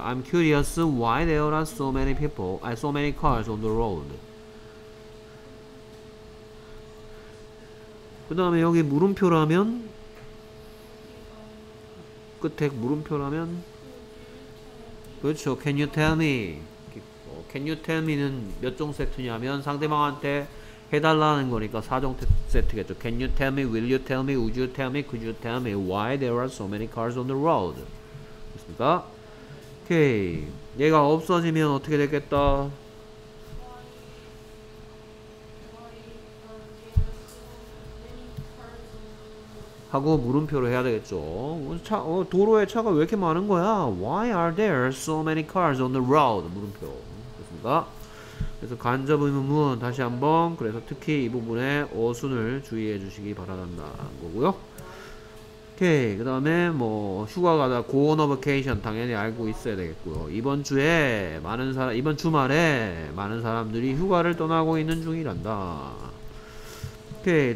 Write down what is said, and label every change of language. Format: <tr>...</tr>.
<en>I'm curious why there are so many people, so many cars on the road.</en> <ko>그 다음에 여기 물음표라면 끝에 물음표라면 그렇죠.</ko> <en>Can you tell me? Can you tell me는</en> <ko>몇 종 세트냐면 상대방한테 해달라는 거니까 4종 세트겠죠.</ko> <en>Can you tell me? Will you tell me? Would you tell me? Could you tell me why there are so many cars on the road?</en> <ko>됐습니까? 오케이. 얘가 없어지면 어떻게 되겠다? 하고 물음표로 해야 되겠죠. 차, 도로에 차가 왜 이렇게 많은 거야?</ko> <en>Why are there so many cars on the road?</en> <ko>물음표. 됐습니까? 그래서 간접 의문문 다시 한번. 그래서 특히 이 부분에 어순을 주의해 주시기 바란다는 거고요. 오케이. 그 다음에 뭐 휴가 가다</ko> <en>go on a vacation</en> <ko>당연히 알고 있어야 되겠고요. 이번 주에 많은 사람 이번 주말에 많은 사람들이 휴가를 떠나고 있는 중이란다. 오케이.</ko>